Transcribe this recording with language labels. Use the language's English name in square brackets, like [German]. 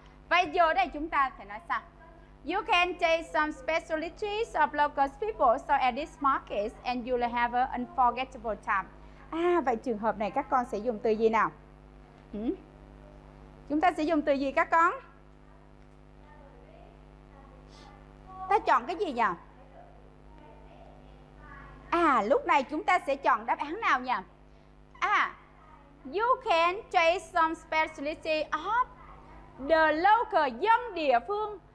[Vietnamese] Vậy giờ đây chúng ta sẽ nói sao? [English] You can taste some specialties of local people serve at this market and you will have an unforgettable time. [Vietnamese] Vậy trường hợp này các con sẽ dùng từ gì nào? Chúng ta sẽ dùng từ gì các con? Ta chọn cái gì nhỉ? Lúc này chúng ta sẽ chọn đáp án nào nhỉ? [English] You can trace some specialty of the local, [Vietnamese] dân địa phương.